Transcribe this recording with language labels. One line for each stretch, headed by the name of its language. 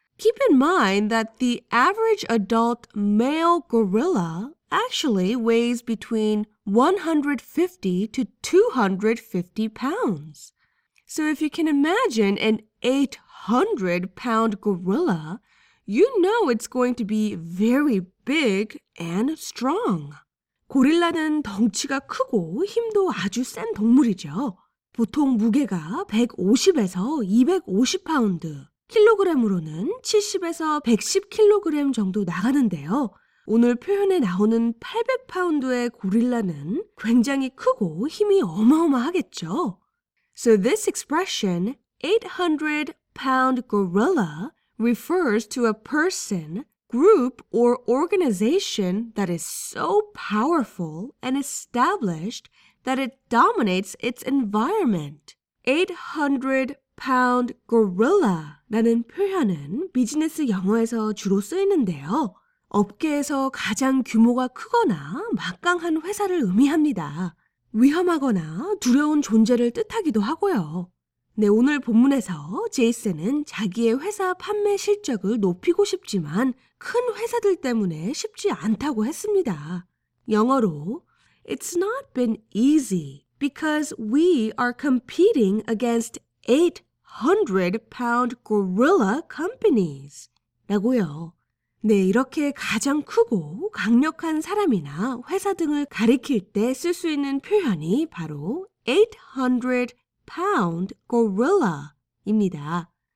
English: Keep in mind that the average adult male gorilla actually weighs between 150 to 250 pounds. So if you can imagine an 800-pound gorilla, you know it's going to be very big and strong.
Korean: 고릴라는 덩치가 크고 힘도 아주 센 동물이죠. 보통 무게가 150에서 250파운드, 킬로그램으로는 70에서 110킬로그램 정도 나가는데요. 오늘 표현에 나오는 800파운드의 고릴라는 굉장히 크고 힘이 어마어마하겠죠.
English: So this expression, 800-pound gorilla, refers to a person, group, or organization that is so powerful and established that it dominates its environment.
Korean: 800-pound gorilla라는 표현은 비즈니스 영어에서 주로 쓰이는데요. 업계에서 가장 규모가 크거나 막강한 회사를 의미합니다. 위험하거나 두려운 존재를 뜻하기도 하고요. 네, 오늘 본문에서 제이슨은 자기의 회사 판매 실적을 높이고 싶지만 큰 회사들 때문에 쉽지 않다고 했습니다. 영어로
English: It's not been easy because we are competing against 800-pound gorilla companies
Korean: 라고요. 네, 이렇게 가장 크고 강력한 사람이나 회사 등을 가리킬 때 쓸 수 있는 표현이 바로 800-pound gorilla입니다.